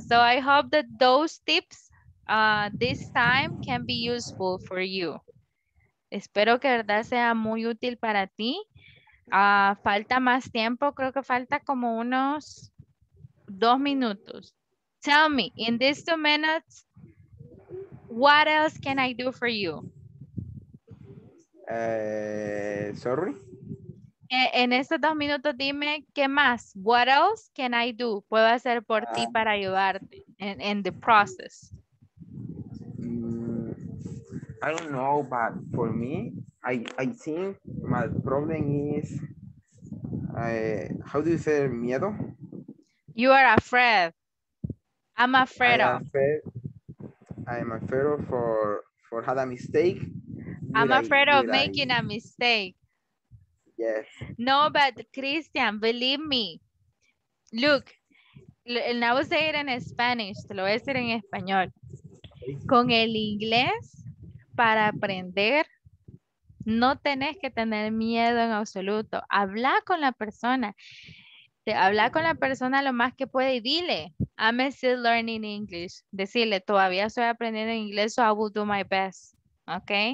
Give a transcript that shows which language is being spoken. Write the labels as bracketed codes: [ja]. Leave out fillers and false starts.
[en] So I hope that those tips this time can be useful for you. [es] Espero que verdad sea muy útil para ti. Falta más tiempo. Creo que falta como unos 2 minutos. [en] Tell me, in these 2 minutes, what else can I do for you? Sorry? [es] En estos 2 minutos, dime, ¿qué más? [en] What else can I do? [es] ¿Puedo hacer por ti para ayudarte [en] in the process? I don't know, but for me, I think my problem is, how do you say miedo? You are afraid. I'm afraid of. I'm afraid of for had a mistake. I'm afraid of making a mistake. Yes. No, but Christian, believe me. Look, and I will say it in Spanish. [es] Te lo voy a decir en español. Con el inglés, para aprender, no tenés que tener miedo en absoluto. Habla con la persona. Habla con la persona lo más que puede y dile, [en] I'm still learning English. [es] Decirle, todavía estoy aprendiendo inglés, [en] so I will do my best. ¿Ok?